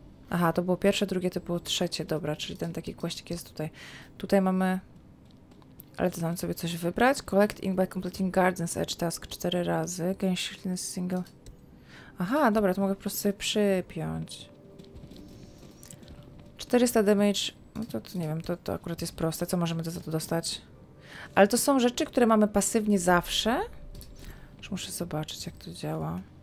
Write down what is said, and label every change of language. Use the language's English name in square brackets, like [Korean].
[Polish] Aha, to było pierwsze, drugie, to było trzecie. Dobra, czyli ten taki kłaścik jest tutaj. Tutaj mamy... Ale to znam sobie coś wybrać. [English] Collect ink by completing Garden's Edge task 4 [Polish] razy. [English] Gain shieldness single... [Polish] Aha, dobra, to mogę po prostu sobie przypiąć. 400 damage... No to nie wiem, to akurat jest proste. Co możemy za to dostać? Ale to są rzeczy, które mamy pasywnie zawsze. Już muszę zobaczyć, jak to działa.